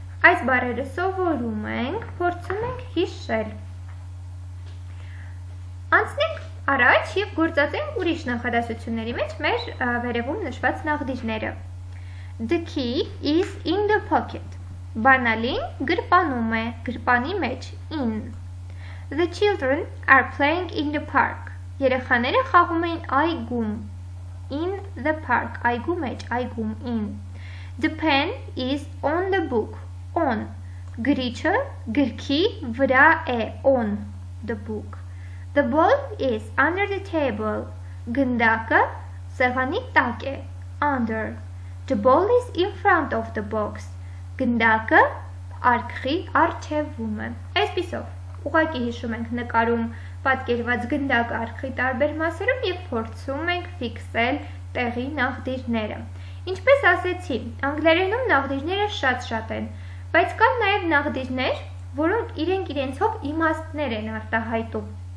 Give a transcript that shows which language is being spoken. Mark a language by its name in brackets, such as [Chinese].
[Armenian] Այս բառերը սովորում ենք, փորձում ենք հիշել։ Անցնենք առաջ եւ գործածենք ուրիշ նախադասությունների մեջ մեր վերևում նշված նախտիրները։ [English] The key is in the pocket. [Armenian] Բանալին գրպանում է, գրպանի մեջ, in. [English] The children are playing in the park. [Armenian] Երեխաները խաղում են այգում, [English] in the park, [Armenian] այգու մեջ, այգում, in. [English] The pen is on the book, on. [Armenian] Գրիչը գրքի վրա է, [English] on the book. The ball is under the table. [Armenian] Գնդակը սեղանի տակ է, under. [English] The ball is in front of the box. [Armenian] Գնդակը արկղի առջևում է։ Այսպիսով, ուղղակի հիշում ենք նկարում պատկերված գնդակ արկղի տարբեր մասերում եւ փորձում ենք ֆիքսել տեղի նախտիրները։ Ինչպես ասացի, անգլերենում նախտիրները շատ-շատ են, բայց կան նաեւ նախտիրներ, որոնք իրենք իրենցով իմաստներ են արտահայտում